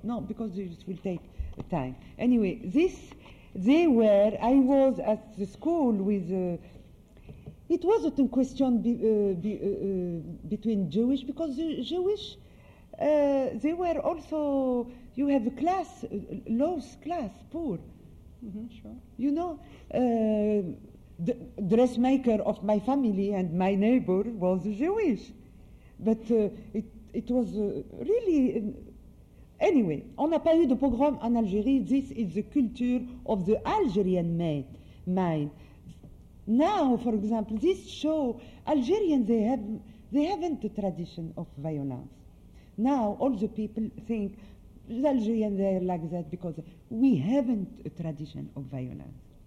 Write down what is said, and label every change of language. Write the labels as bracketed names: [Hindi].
[English] No, because this will take time. Anyway, I was at the school with, it wasn't a question between Jewish, because the Jewish, they were also, you have a class, low class, poor. Mm-hmm, sure. You know, the dressmaker of my family and my neighbor was Jewish. But it was really... [French] Anyway, on n'a pas eu de pogrom en Algérie. [English] This is the culture of the Algerian mind. Now, for example, this show, Algerians, they haven't the tradition of violence. Now, all the people think the Algerians are like that because we haven't a tradition of violence.